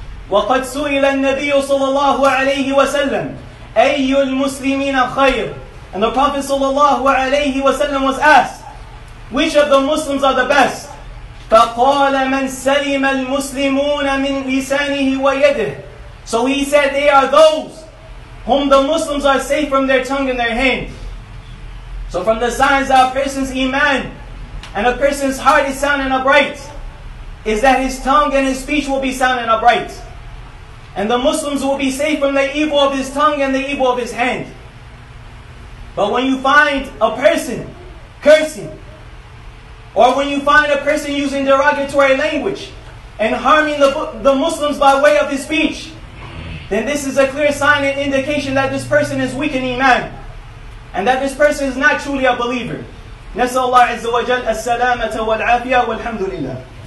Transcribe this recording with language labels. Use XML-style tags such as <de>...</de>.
<ar>وقد سئل النبي صلى الله عليه وسلم أي المسلمين خير.</ar> <en>And the Prophet صلى الله عليه وسلم was asked, which of the Muslims are the best?</en> <ar>فقال من سلم المسلمون من لسانه ويده.</ar> <en>So he said, they are those whom the Muslims are safe from their tongue and their hand. So from the signs that a person's iman and a person's heart is sound and upright, is that his tongue and his speech will be sound and upright. And the Muslims will be safe from the evil of his tongue and the evil of his hand. But when you find a person cursing, or when you find a person using derogatory language and harming the Muslims by way of his speech, then this is a clear sign and indication that this person is weak in iman, and that this person is not truly a believer.</en> <ar>نسأل الله عز وجل السلامة والعافية والحمد لله.</ar>